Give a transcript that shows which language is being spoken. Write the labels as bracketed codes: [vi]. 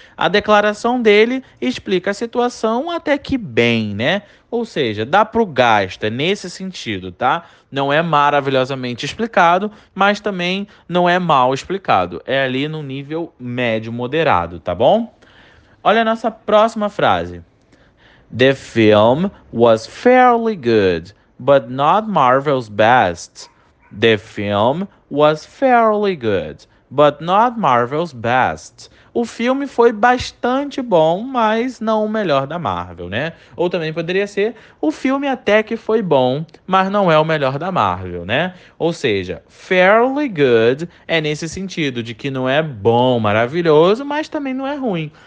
[pt] A declaração dele explica a situação até que bem, né? Ou seja, dá para o gasto, é nesse sentido, tá? Não é maravilhosamente explicado, mas também não é mal explicado. É ali no nível médio moderado, tá bom? Olha a nossa próxima frase. [en] The film was fairly good, but not Marvel's best. The film was fairly good, but not Marvel's best. [pt] O filme foi bastante bom, mas não o melhor da Marvel, né? Ou também poderia ser: o filme até que foi bom, mas não é o melhor da Marvel, né? Ou seja, fairly good é nesse sentido de que não é bom, maravilhoso, mas também não é ruim.